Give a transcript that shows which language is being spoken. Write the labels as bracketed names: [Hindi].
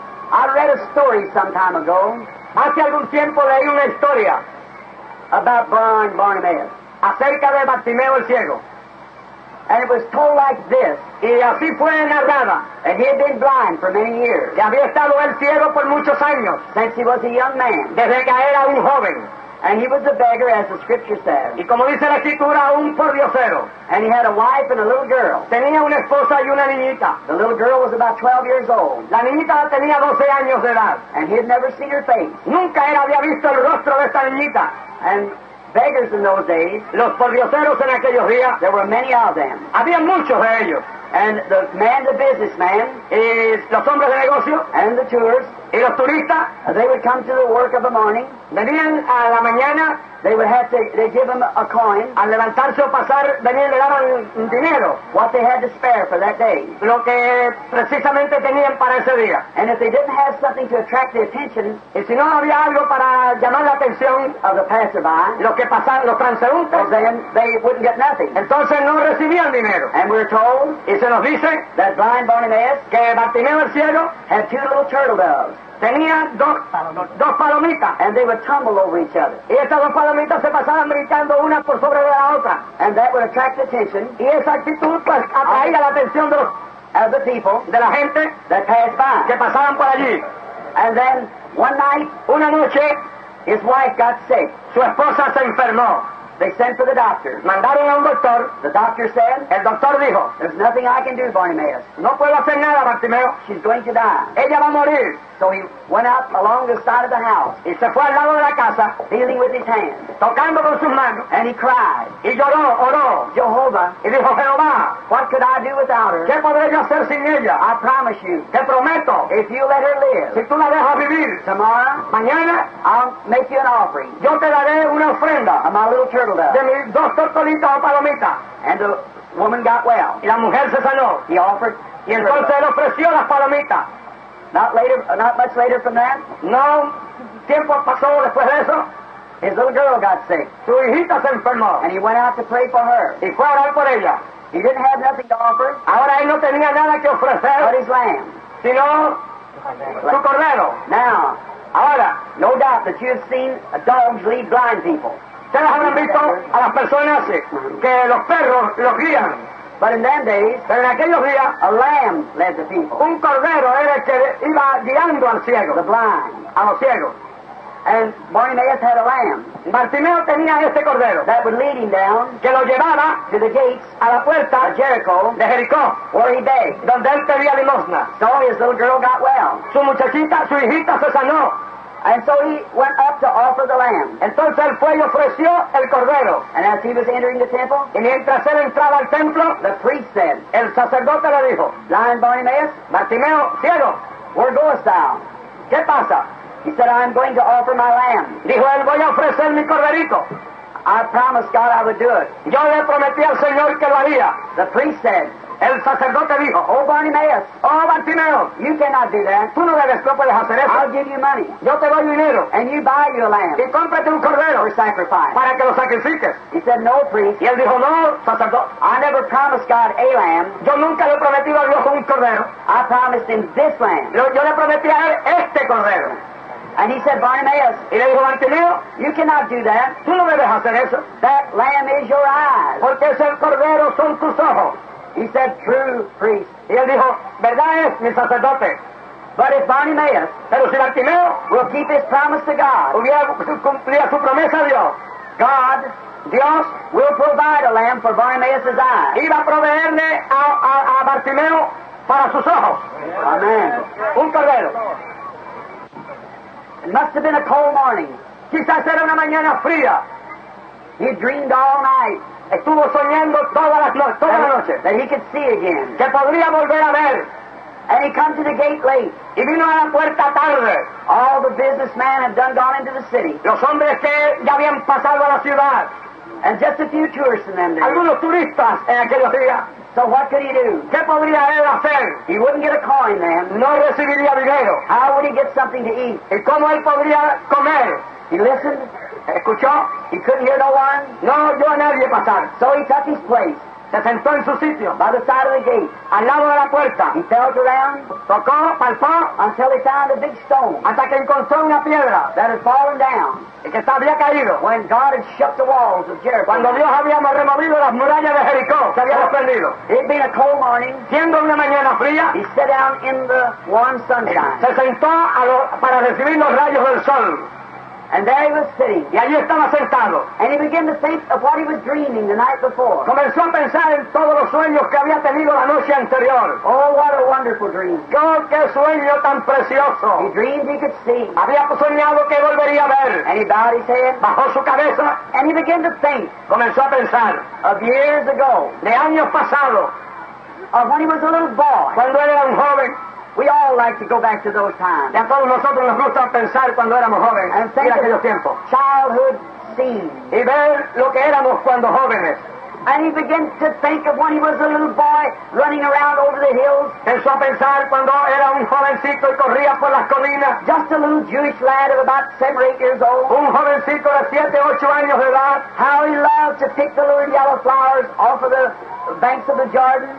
[English] I read a story some time ago. [Spanish] Hace algún tiempo leí una historia [English] about blind Bartimaeus. [Spanish] Acerca de Bartimeo el ciego. [English] And it was told like this. [Spanish] Y así fue narrada. [English] And he had been blind for many years. [Spanish] Que había estado el ciego por muchos años. [English] Since he was a young man. [Spanish] Desde que era un joven. [English] And he was a beggar, as the scripture says. [Spanish] Y como dice la escritura, un pordiosero. [English] And he had a wife and a little girl. [Spanish] Tenía una esposa y una niñita. [English] The little girl was about 12 years old. [Spanish] La niñita tenía 12 años de edad. [English] And he had never seen her face. [Spanish] Nunca él había visto el rostro de esta niñita. [English] And beggars in those days. [Spanish] Los pordioseros en aquellos días. [English] There were many of them. [Spanish] Había muchos de ellos. [English] And the man, the businessman, [Spanish] is los hombres de negocio, [English] and the tourists, [Spanish] y los turistas, [English] they would come to the work of the morning. [Spanish] Venían a la mañana. [English] They would have to. They give them a coin. [Spanish] Al levantarse o pasar, venían, le daban dinero. [English] What they had to spare for that day. [Spanish] Lo que precisamente tenían para ese día. [English] And if they didn't have something to attract the attention, [Spanish] y si no había algo para llamar la atención [English] of the passerby, [Spanish] los que pasaban, los transeúntes, [English] they wouldn't get nothing. [Spanish] Entonces no recibían dinero. [English] And we're told. [Spanish] Y se nos dice [English] that blind Bartimaeus, [Spanish] que Bartimeo el ciego, [English] had two little turtle doves. [Spanish] Tenía dos palomitas. [English] And they would tumble over each other. [Spanish] Y estas dos palomitas se pasaban brincando una por sobre la otra. [English] And that would attract attention. [Spanish] Y esa actitud pues atraía la atención de los, [English] of the people, [Spanish] de la gente, [English] that passed by, [Spanish] que pasaban por allí. [English] And then one night, [Spanish] una noche, [English] his wife got sick. [Spanish] Su esposa se enfermó. [English] They sent for the doctor. [Spanish] Mandaron a un doctor. [English] The doctor said. [Spanish] El doctor dijo. [English] There's nothing I can do, Bartimaeus. [Spanish] No puedo hacer nada, Bartimeo. [English] She's going to die. [Spanish] Ella va a morir. [English] So he went up along the side of the house. [Spanish] Y se fue al lado de la casa. [English] Feeling with his hands. [Spanish] Tocando con sus manos. [English] And he cried. [Spanish] Y lloró, oró. [English] Jehovah. [Spanish] Y dijo, Jehová. [English] What could I do without her? [Spanish] ¿Qué podré yo hacer sin ella? [English] I promise you. [Spanish] Te prometo. [English] If you let her live. [Spanish] Si tú la dejas vivir. [English] Tomorrow. [Spanish] Mañana. [English] I'll make you an offering. [Spanish] Yo te daré una ofrenda. [English] Of my little turtle dove. [Spanish] De mis dos tortolitas o palomitas. [English] And the woman got well. [Spanish] Y la mujer se sanó. [English] He offered. [Spanish] Y entonces él ofreció las palomitas. [English] Not much later from that. [Spanish] No. Tiempo pasó después de eso. [English] His little girl got sick. [Spanish] Su hijita se enfermó. [English] And he went out to pray for her. [Spanish] Y fue a orar por ella. [English] He didn't have nothing to offer. [Spanish] Ahora él no tenía nada que ofrecer. [English] But his lamb. [Spanish] Sino su cordero. [English] Now, [Spanish] ahora, [English] no doubt that you've seen dogs lead blind people. [Spanish] ¿Ustedes habrán visto a las personas que los perros los guían? [English] But in them days, [Spanish] pero en aquellos días, [English] a lamb led the people. [Spanish] Un cordero era el que iba guiando al ciego. [English] The blind. [Spanish] A los ciegos. [English] And Bartimaeus had a lamb. [Spanish] Bartimeo tenía este cordero. [English] That would lead him down. [Spanish] Que lo llevaba. [English] To the gates. [Spanish] A la puerta. [English] Of Jericho. [Spanish] De Jericó. [English] Where he begged. [Spanish] Donde él pedía limosna. [English] So his little girl got well. [Spanish] Su muchachita, su hijita se sanó. [English] And so he went up to offer the lamb. [Spanish] Entonces él fue y ofreció el cordero. [English] And as he was entering the temple. [Spanish] Y mientras él entraba al templo. [English] The priest said. [Spanish] El sacerdote le dijo. [English] Blind Bartimaeus. [Spanish] Bartimeo, ciego. [English] Where goest thou? [Spanish] ¿Qué pasa? [English] He said, I'm going to offer my lamb. [Spanish] Dijo, él, voy a ofrecer mi corderito. [English] I promised God I would do it. [Spanish] Yo le prometí al Señor que lo haría. [English] The priest said. [Spanish] El sacerdote dijo, [English] oh, Bartimaeus. [Spanish] Oh, Bartimeo. [English] You cannot do that. [Spanish] Tú no debes, no puedes hacer eso. [English] I'll give you money. [Spanish] Yo te doy dinero. [English] And you buy you a lamb. [Spanish] Y cómprate un cordero. [English] For sacrifice. [Spanish] Para que lo sacrifiques. [English] He said, no, priest. [Spanish] Y él dijo, no, sacerdote. [English] I never promised God a lamb. [Spanish] Yo nunca le prometí a Dios un cordero. [English] I promised him this lamb. [Spanish] Yo le prometí a él este cordero. [English] And he said, Bartimaeus, [Spanish] y le dijo, Bartimeo, [English] you cannot do that. [Spanish] Tú no debes hacer eso. [English] That lamb is your eyes. [Spanish] Porque ese cordero son tus ojos. [English] He said, true priest. [Spanish] Y él dijo, verdad es, mi sacerdote. [English] But if Bartimaeus, [Spanish] pero si Bartimeo, [English] will keep his promise to God, [Spanish] hubiera cumplido su promesa a Dios, [English] God, [Spanish] Dios, [English] will provide a lamb for Bartimaeus' eyes. [Spanish] Iba a proveerle a Bartimeo para sus ojos. [English] Amen. [Spanish] Un cordero. [English] It must have been a cold morning. [Spanish] Quizás era una mañana fría. [English] He dreamed all night. [Spanish] Estuvo soñando toda la noche. [English] That he could see again. [Spanish] Que podría volver a ver. [English] And he comes to the gate late. [Spanish] Y vino a la puerta tarde. [English] All the businessmen had done gone into the city. [Spanish] Los hombres que ya habían pasado a la ciudad. [English] And just a few tourists in them there. [Spanish] Algunos turistas en aquellos días. [English] So what could he do? [Spanish] ¿Qué podría él hacer? [English] He wouldn't get a coin, man. [Spanish] No recibiría dinero. [English] How would he get something to eat? [Spanish] ¿Y cómo él podría comer? [English] He listened. [Spanish] ¿Escuchó? [English] He couldn't hear no one. [Spanish] No oyó a nadie pasar. [English] So he took his place. [Spanish] Se sentó en su sitio. [English] By the side of the gate. [Spanish] Al lado de la puerta. [English] He felt around. [Spanish] Tocó, palpó. [English] Until he found a big stone. [Spanish] Hasta que encontró una piedra. [English] That had fallen down. [Spanish] Y que había caído. [English] When God had shut the walls of Jericho. [Spanish] Cuando Dios había removido las murallas de Jericó. Se había desprendido. [English] It being a cold morning. [Spanish] Siendo una mañana fría. [English] He sat down in the warm sunshine. [Spanish] Se sentó para recibir los rayos del sol. [English] And there he was sitting. [Spanish] Y allí estaba sentado. [English] And he began to think of what he was dreaming the night before. [Spanish] Comenzó a pensar en todos los sueños que había tenido la noche anterior. [English] Oh, what a wonderful dream. [Spanish] ¡Oh, qué sueño tan precioso! [English] He dreamed he could see. [Spanish] Había soñado que volvería a ver. [English] And he bowed his head. [Spanish] Bajó su cabeza. [English] And he began to think. [Spanish] Comenzó a pensar. [English] Of years ago. [Spanish] De años pasados. [English] Of when he was a little boy. [Spanish] Cuando era un joven. [English] We all like to go back to those times. [Spanish] Y a todos nosotros nos gusta pensar cuando éramos jóvenes. [English] And think [Spanish] y aquellos tiempos. [English] Childhood scenes. [Spanish] Y ver lo que éramos cuando jóvenes. [English] And he began to think of when he was a little boy running around over the hills. [Spanish] Empezó a pensar cuando era un jovencito y corría por las colinas. [English] Just a little Jewish lad of about 7 or 8 years old. [Spanish] Un jovencito de 7 o 8 años de edad. [English] How he loved to pick the little yellow flowers off of the banks of the Jordan.